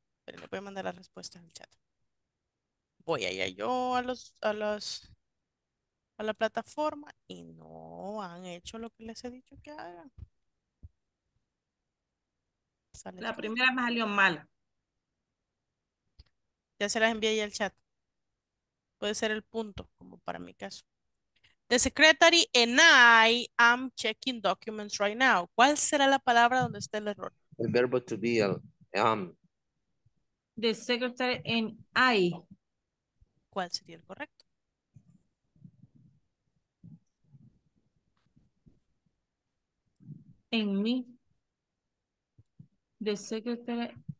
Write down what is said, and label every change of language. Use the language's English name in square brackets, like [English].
[Spanish] Pero le voy a mandar la respuesta en el chat. Voy allá yo a la plataforma y no han hecho lo que les he dicho que hagan. La primera me salió mala. Ya se las envié ahí al chat. Puede ser el punto, como para mi caso. [English] The secretary and I am checking documents right now. [Spanish] ¿Cuál será la palabra donde está el error? El verbo to be, [English] The secretary and I. [Spanish] ¿Cuál sería el correcto? En mí. [English] The secretary